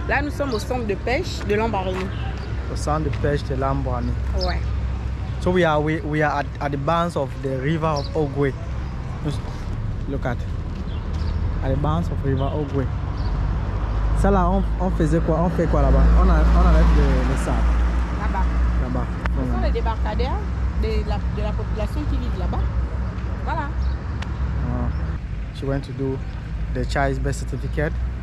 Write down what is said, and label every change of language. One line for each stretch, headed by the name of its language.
French: Là, nous sommes au centre de pêche de Lambarini. Au centre de pêche de Lambarini. Ouais.
English: So we are at the banks of the river of Ogoue. Look at. At the banks of river Ogoue.
French: Ça là, on faisait quoi? On fait quoi là-bas? On enlève le sable. Là-bas. Là-bas. Ce sont les débarcadères de la population qui vit là-bas. Voilà.
English: She went to do the child's birth certificate.